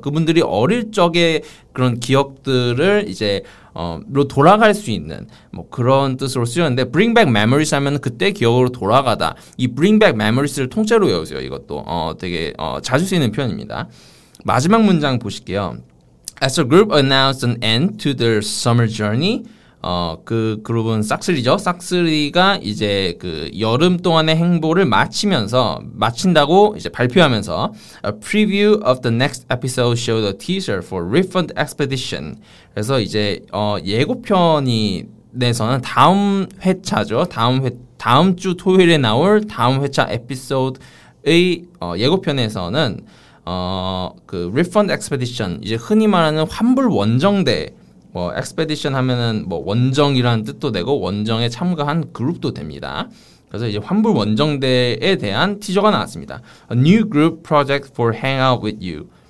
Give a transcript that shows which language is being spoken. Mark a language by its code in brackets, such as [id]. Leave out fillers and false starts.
[ko] 그분들이 어릴 적의 그런 기억들을 이제 로 돌아갈 수 있는 뭐 그런 뜻으로 쓰였는데 bring back memories 하면 그때 기억으로 돌아가다. 이 bring back memories 를 통째로 외우세요. 이것도 되게 자주 쓰이는 표현입니다. 마지막 문장 보실게요. [en] As a group announced an end to their summer journey. [ko] 그 그룹은 싹쓰리죠. 싹쓰리가 이제 그 여름 동안의 행보를 마친다고 이제 발표하면서 a preview of the next episode showed a teaser for Refund Expedition. 그래서 이제 예고편이 내서는 다음 주 토요일에 나올 다음 회차 에피소드의 예고편에서는 그 Refund Expedition 이제 흔히 말하는 환불 원정대 뭐 엑스페디션 하면은 뭐 원정이라는 뜻도 되고 원정에 참가한 그룹도 됩니다. 그래서 이제 환불 원정대에 대한 티저가 나왔습니다. [en] A new group project for hang out with you.